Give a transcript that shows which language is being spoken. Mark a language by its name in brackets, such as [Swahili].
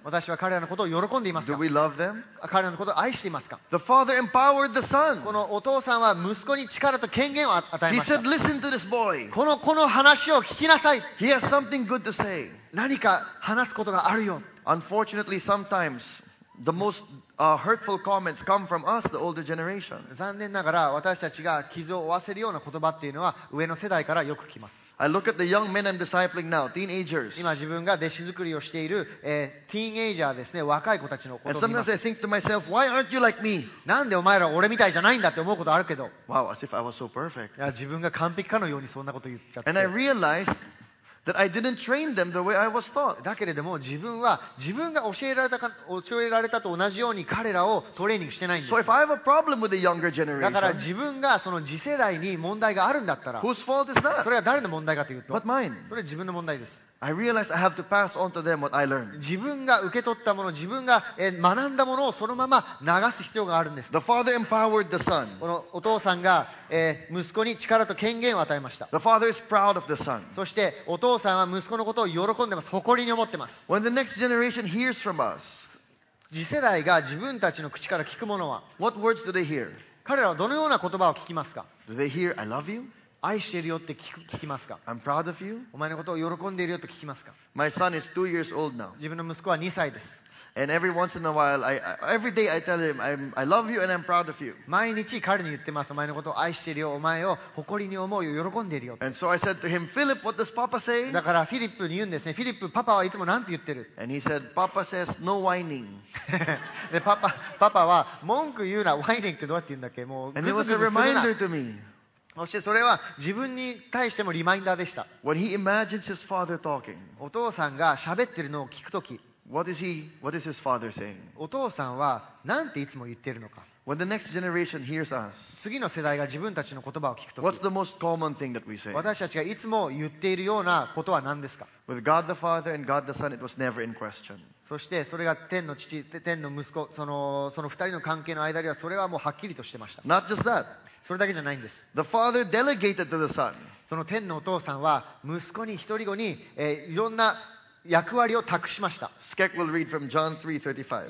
[Japanese] 私は彼らのことを喜んでいますか。 [English] Do we love them? [Japanese] 彼らのことを愛していますか。 [English] The father empowered the son. [Japanese] このお父さんは息子に力と権限を与えました。 [English] He said, "Listen to this boy." [Japanese] この話を聞きなさい。 [English] He has something good to say. [Japanese] 何か話すことがあるよ。 [English] Unfortunately, sometimes. The most hurtful comments come from us, the older generation. [Japanese] 残念ながら私たちが傷を負わせるような言葉っていうのは上の世代からよく来ます。 [English] I look at the young men I'm discipling now, teenagers. [Japanese] 今自分が弟子作りをしている、ティーンエイジャーですね、若い子たちのことを見ます。 [English] And sometimes I think to myself, why aren't you like me? [Japanese] なんでお前ら俺みたいじゃないんだって思うことあるけど。 [English] Wow, as if I was so perfect. [Japanese] いや、自分が完璧かのようにそんなこと言っちゃって。 [English] And I realized. That I didn't train them the way I was taught. [Japanese] だけれども自分は自分が教えられたと同じように彼らをトレーニングしてないんです。 [English] So if I have a problem with the younger generation, [Japanese] だから自分がその次世代に問題があるんだったら、 [English] whose fault is that? [Japanese] それは誰の問題かというと、 [English] but mine. [Japanese] それは自分の問題です。 [English] I realized I have to pass on to them what I learned. [Japanese] 自分が受け取ったもの、自分が学んだものをそのまま流す必要があるんです。 [English] The father empowered the son. [Japanese] このお父さんが息子に力と権限を与えました。 [English] The father is proud of the son. [Japanese] そしてお父さんは息子のことを喜んでます。誇りに思ってます。 [English] When the next generation hears from us, [Japanese] 次世代が自分たちの口から聞くものは、 [English] What words do they hear? [Japanese] 彼らはどのような言葉を聞きますか? [English] Do they hear, I love you? [Japanese] 愛しているよって聞きますか? [English] I'm proud of you. [Japanese] お前のことを喜んでいるよと聞きますか? [English] My son is 2 years old now. [Japanese] 自分の息子は2歳です。 [English] And every once in a while, every day I tell him, I love you and I'm proud of you. [Japanese] 毎日彼に言ってます。お前のことを愛しているよ。お前を誇りに思うよ。喜んでいるよ。 [English] And so I said to him, Philip, what does Papa say? [Japanese] だからフィリップに言うんですね。フィリップ、パパはいつも何て言ってる? [English] And he said, Papa says, no whining. [Japanese] で、パパは文句言うな。whining ってどうやって言うんだっけ? もうぐずぐずするな。 [English] And it was a reminder to me. [Japanese] そしてそれは自分に対してもリマインダーでした。 [English] When he imagines his father talking, [Japanese] お父さんが喋ってるのを聞くとき、 [English] what is his father saying? [Japanese] お父さんは何ていつも言ってるのか。 [English] When the next generation hears us, [Japanese] 次の世代が自分たちの言葉を聞くとき、 [English] what's the most common thing that we say? [Japanese] 私たちがいつも言っているようなことは何ですか。 [English] With God the Father and God the Son, it was never in question. [Japanese] そしてそれが天の父、天の息子、その二人の関係の間ではそれはもうはっきりとしてました。 [English] Not just that. [Japanese] それだけじゃないんです。 [English] The father delegated to the son. [Japanese] その天のお父さんは息子に一人子に、いろんな役割を託しました。 [English] Skek will read from John 3:35.